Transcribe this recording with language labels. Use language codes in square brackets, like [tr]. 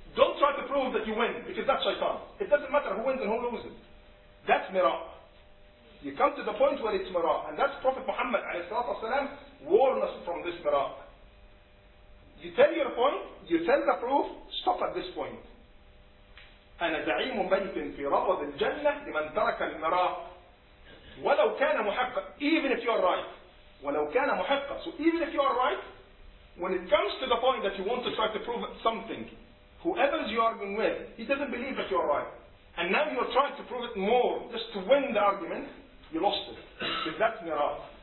[en] Don't try to prove that you win, because that's shaitan. It doesn't matter who wins and who loses. That's mirah. You come to the point where it's mirah, and that's Prophet Muhammad والسلام, warned us from this mirah. You tell your point, you tell the proof, stop at this point. [ar] أنا زعيم بيت في روض الجنة لمن ترك المراء ولو كان محقا. [en] Even if you are right. [ar] ولو كان محقا. [en] So even if you are right, when it comes to the point that you want to try to prove something, whoever you are arguing with, he doesn't believe that you are right. And now you are trying to prove it more, just to win the argument, you lost it. If that's مراء.